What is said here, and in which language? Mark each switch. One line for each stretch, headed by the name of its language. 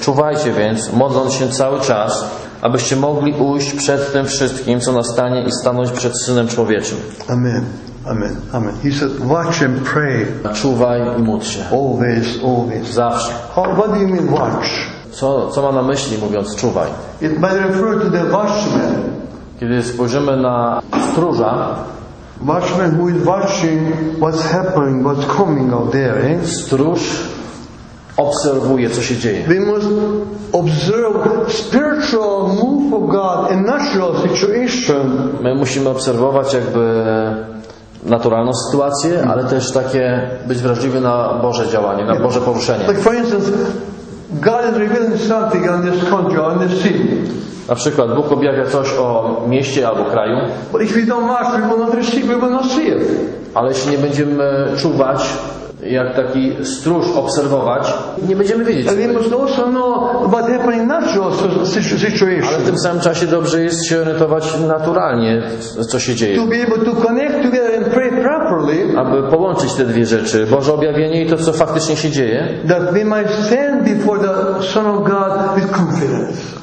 Polish: Czuwajcie więc, modląc się cały czas, abyście mogli ujść przed tym wszystkim, co nastanie i stanąć przed Synem Człowieczym.
English: Amen. Amen. Amen. He said, watch and pray.
Polish: Czuwaj i módl się.
English: Always, always.
Polish: Zawsze.
English: What do you mean watch?
Polish: Co ma na myśli, mówiąc czuwaj?
English: It might refer to the watchman.
Polish: Kiedy spojrzymy na stróża,
English: watchman who is watching what's happening, what's coming out there, eh?
Polish: Stróż obserwuje, co się dzieje.
English: We must observe spiritual move of God in natural situation.
Polish: My musimy obserwować jakby naturalną sytuację, ale też takie być wrażliwy na Boże działanie, na Boże poruszenie.
English: Like for instance, God is revealing something on this country, on this city.
Polish: Na przykład Bóg objawia coś o mieście albo kraju.
English: But if we don't watch, we will not receive, we will not see it.
Polish: Ale jeśli nie będziemy czuwać, jak taki stróż obserwować, nie będziemy wiedzieć.
English: And we must also know what happened in natural situation.
Polish: Ale w tym samym czasie dobrze jest się orientować naturalnie, co się dzieje.
English: To be able to connect together and pray properly.
Polish: Aby połączyć te dwie rzeczy, Boże objawienie i to, co faktycznie się dzieje.
English: That we might stand before the Son of God with confidence.